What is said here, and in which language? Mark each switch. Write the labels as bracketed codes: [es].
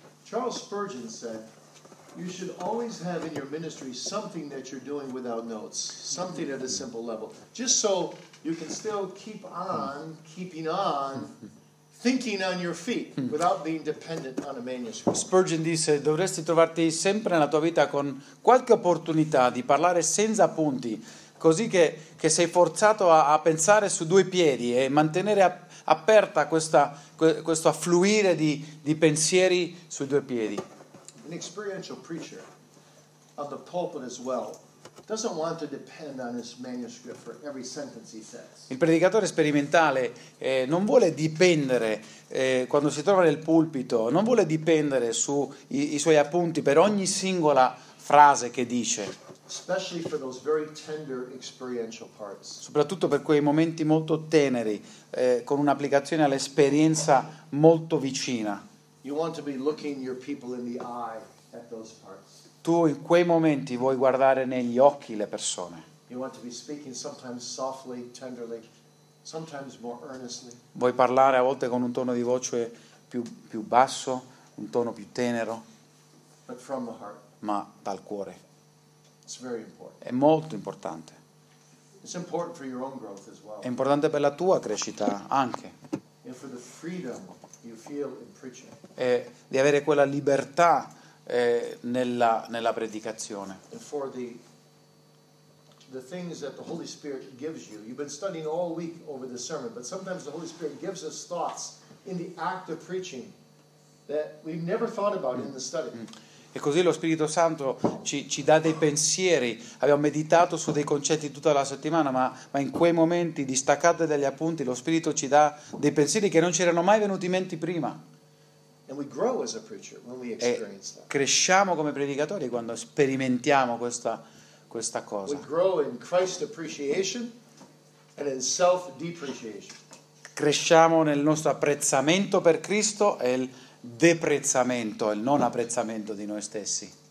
[en] Charles Spurgeon said, "You should always have in your ministry something that you're doing without notes, something at a simple level, just so you can still keep on keeping on, thinking on your feet without being dependent on a manuscript." [it] Spurgeon disse, "Dovresti trovarti sempre nella tua vita con qualche opportunità di parlare senza appunti, così che sei forzato a pensare su due piedi e mantenere aperta questo affluire di pensieri su due piedi. [en] An experiential preacher of the pulpit as well doesn't want to depend on his manuscript for every sentence he says. [it] Il predicatore sperimentale non vuole dipendere quando si trova nel pulpito, non vuole dipendere su i suoi appunti per ogni singola frase che dice. [en] Especially for those very tender experiential parts. [it] Soprattutto per quei momenti molto teneri, con un'applicazione all'esperienza molto vicina. [en] You want to be looking your people in the eye at those parts. [it] Tu in quei momenti vuoi guardare negli occhi le persone. [en] You want to be speaking sometimes softly, tenderly, sometimes more earnestly. [it] Vuoi parlare a volte con un tono di voce più basso, un tono più tenero. [en] But from the heart. [it] Ma dal cuore. [en] It's very important. [it] È molto importante. [en] It's important for your own growth as well. [it] È importante per la tua crescita anche. [en] And for the freedom you feel in preaching. [it] E di avere quella libertà nella predicazione. [en] And for the things that the Holy Spirit gives you. You've been studying all week over the sermon, but sometimes the Holy Spirit gives us thoughts in the act of preaching that we've never thought about in the study. [it] E così lo Spirito Santo ci dà dei pensieri. Abbiamo meditato su dei concetti tutta la settimana, ma in quei momenti distaccati dagli appunti, lo Spirito ci dà dei pensieri che non ci erano mai venuti in mente prima. [en] And we grow as a preacher when we experience that. [it] Cresciamo come predicatori quando sperimentiamo questa cosa. [en] We grow in Christ appreciation and in self depreciation. [it] Cresciamo nel nostro apprezzamento per Cristo e il deprezzamento, il non apprezzamento di noi stessi.